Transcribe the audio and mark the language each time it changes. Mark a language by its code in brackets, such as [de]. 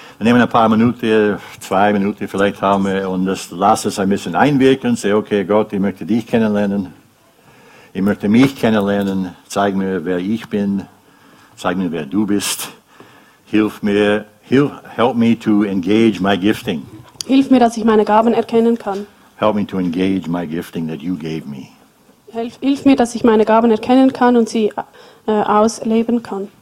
[de] Wir nehmen ein paar Minuten, 2 Minuten vielleicht haben wir, und das lasse es ein bisschen einwirken. Sag, okay, Gott, ich möchte dich kennenlernen. Ich möchte mich kennenlernen. Zeig mir, wer ich bin. Zeig mir, wer du bist. Hilf mir, [en] help me to engage my gifting. [de] Hilf mir, dass ich meine Gaben erkennen kann. [en] Help me to engage my gifting that you gave me. [de] Hilf mir, dass ich meine Gaben erkennen kann und sie ausleben kann.